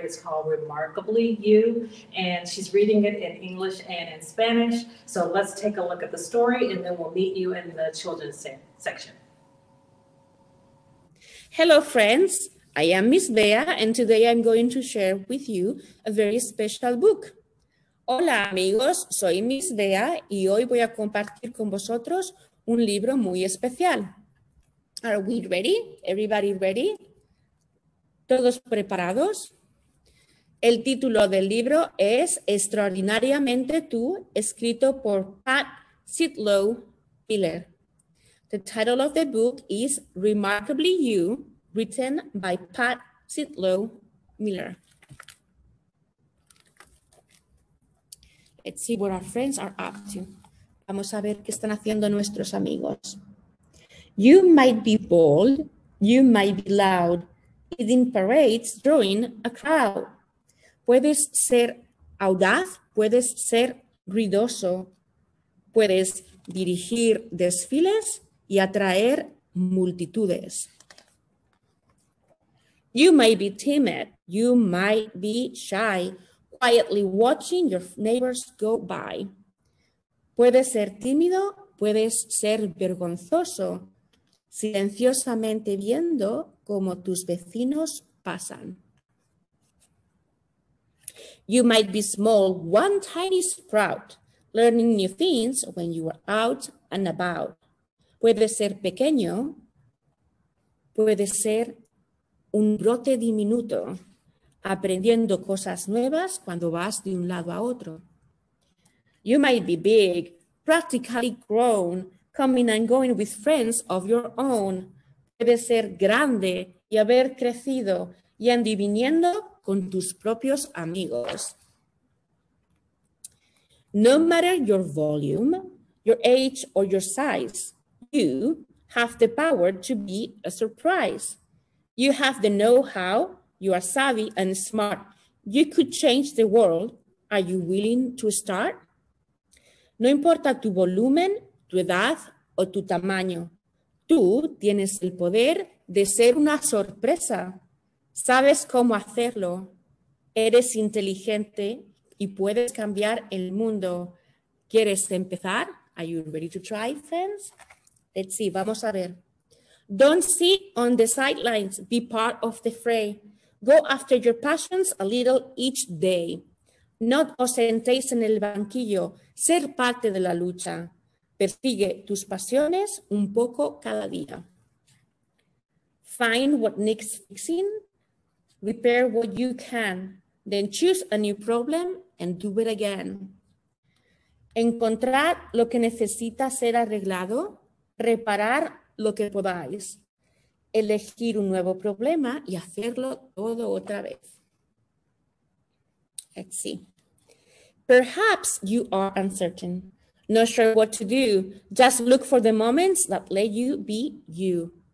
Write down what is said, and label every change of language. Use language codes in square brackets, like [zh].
[en] It's called Remarkably You, and she's reading it in English and in Spanish. So let's take a look at the story, and then we'll meet you in the children's section. Hello, friends. I am Miss Bea, and today I'm going to share with you a very special book. [es] Hola, amigos. Soy Miss Bea, y hoy voy a compartir con vosotros un libro muy especial. [en] Are we ready? Everybody ready? [es] ¿Todos preparados? El título del libro es Extraordinariamente Tú, escrito por Pat Sidlow Miller. [en] The title of the book is Remarkably You, written by Pat Sidlow Miller. Let's see what our friends are up to. [es] Vamos a ver qué están haciendo nuestros amigos. [en] You might be bold, you might be loud, leading parades, drawing a crowd. [es] Puedes ser audaz, puedes ser ruidoso, puedes dirigir desfiles y atraer multitudes. [en] You might be timid, you might be shy, quietly watching your neighbors go by. [es] Puedes ser tímido, puedes ser vergonzoso, silenciosamente viendo cómo tus vecinos pasan. [en] You might be small, one tiny sprout, learning new things when you are out and about. [es] Puedes ser pequeño, puedes ser un brote diminuto, aprendiendo cosas nuevas cuando vas de un lado a otro. [en] You might be big, practically grown, coming and going with friends of your own. [es] Puedes ser grande y haber crecido y andando y viniendo con tus propios amigos. [en] No matter your volume, your age or your size, you have the power to be a surprise. You have the know-how, you are savvy and smart. You could change the world. Are you willing to start? [es] No importa tu volumen, tu edad o tu tamaño, tú tienes el poder de ser una sorpresa. Sabes cómo hacerlo. Eres inteligente y puedes cambiar el mundo. ¿Quieres empezar? [en] Are you ready to try, friends? Let's see, [es] vamos a ver. [en] Don't sit on the sidelines, be part of the fray. Go after your passions a little each day. [es] No os sentéis en el banquillo, ser parte de la lucha. Persigue tus pasiones un poco cada día. [en] Find what needs fixing, repair what you can, then choose a new problem and do it again. [es] Encontrar lo que necesita ser arreglado, reparar lo que podáis, elegir un nuevo problema y hacerlo todo otra vez. [en] Let's see. Perhaps you are uncertain, not sure what to do, just look for the moments that let you be you.